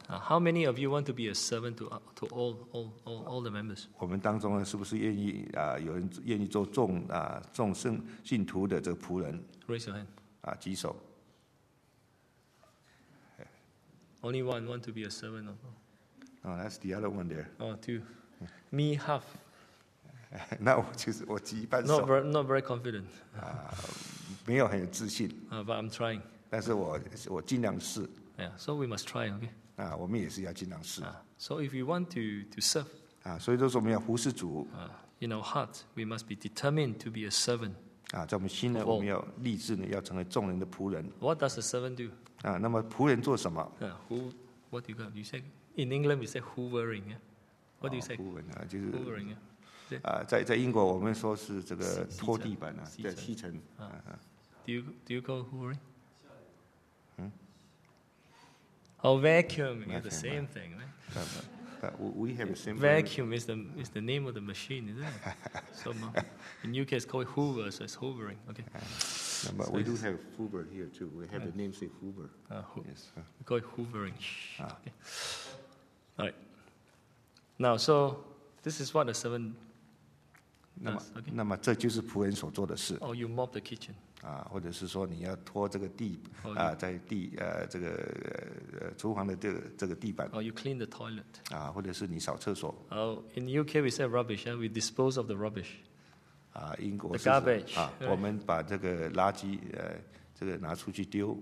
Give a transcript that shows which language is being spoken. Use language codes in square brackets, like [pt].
[en] How many of you want to be a servant to all the members? [zh] 我们当中是不是愿意啊？有人愿意做众圣信徒的这个仆人 [en] ？Raise your hand. [zh] 啊，举手。 [en] Only one want to be a servant. No, that's the other one there. Oh, two. Me half. [zh] 那我就是我举一半手。 [en] Not very confident. [zh] 没有很有自信。 [en] But I'm trying. [zh] 但是我尽量试。 [en] Yeah, so we must try, okay? [zh] 啊，我们也是要尽量试。 [en] So if we want to serve, [zh] 啊，所以就是我们要服侍主。 [en] In our heart, we must be determined to be a servant. [zh] 啊，在我们心呢，我们要立志呢，要成为众人的仆人。 [en] What does a servant do? [zh] 啊，那么仆人做什么？ [en] What do you call? You say in England, we say hoovering. Yeah? What do you say? [zh] Hoovering 啊，就是 [en] hoovering 啊。 [zh] 在英国，我们说是这个拖地板啊，在吸尘。 [en] Do you call hoovering? Oh, vacuum, yeah, the same thing, right? We have the same vacuum is the name of the machine, isn't it? So in UK, it's called Hoover, so it's hovering. Okay. No, but so we do have Hoover here too. We have the name say Hoover. Yes. We call it hovering. Okay. All right. Now, so this is what a servant does. [zh] 那么这就是仆人所做的事。 [en] Oh, you mop the kitchen. [zh] 啊，或者是说你要拖这个地啊，在地这个厨房的这个地板。 [en] Oh, you clean the toilet. [zh] 啊，或者是你扫厕所。 [en] Oh, in the UK we say rubbish, and we dispose of the rubbish. [zh] 啊，英国是 [en] the garbage, 啊， right. [zh] 我们把这个垃圾这个拿出去丢。